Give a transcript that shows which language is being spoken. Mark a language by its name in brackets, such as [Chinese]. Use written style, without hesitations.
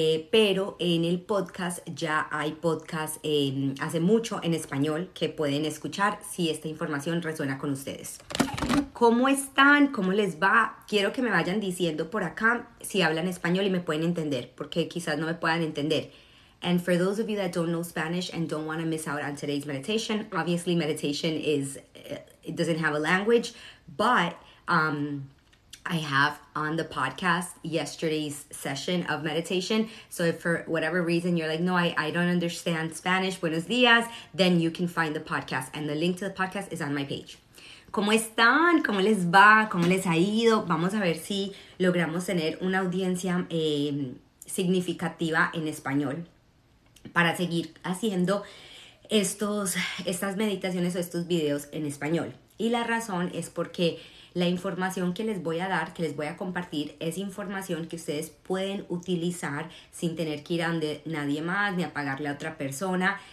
[Spanish] Pero en el podcast ya hay podcast hace mucho en español que pueden escuchar si esta información resuena con ustedes. ¿Cómo están? ¿Cómo les va? Quiero que me vayan diciendo por acá si hablan español y me pueden entender, porque quizás no me puedan entender. [English] And for those of you that don't know Spanish and don't want to miss out on today's meditation, obviously meditation is, it doesn't have a language, but I have on the podcast yesterday's session of meditation. So if for whatever reason you're like, no, I don't understand Spanish, [Spanish] buenos días, [English] then you can find the podcast. And the link to the podcast is on my page. [Spanish] ¿Cómo están? ¿Cómo les va? ¿Cómo les ha ido? Vamos a ver si logramos tener una audiencia significativa en español para seguir haciendo estas meditaciones o estos videos en español. Y la razón es porque la información que les voy a dar, que les voy a compartir, es información que ustedes pueden utilizar sin tener que ir a donde nadie más ni a pagarle a otra persona.